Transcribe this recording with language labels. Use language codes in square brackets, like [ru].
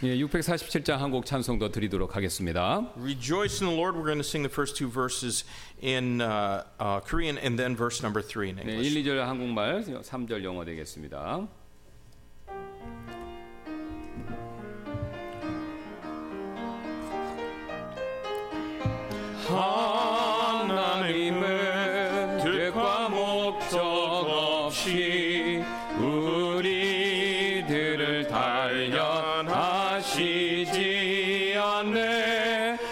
[ko] 예, 647장 한 곡 찬송 더 드리도록 하겠습니다. [en] Rejoice in the Lord. We're going to sing the first two verses in Korean and then verse number 3 in English. [ko] 네, 1, 2절 한국말, 3절 영어 되겠습니다. Oh, 하나님을 듣과 목자 없이 우리들을 단련하시지 않네.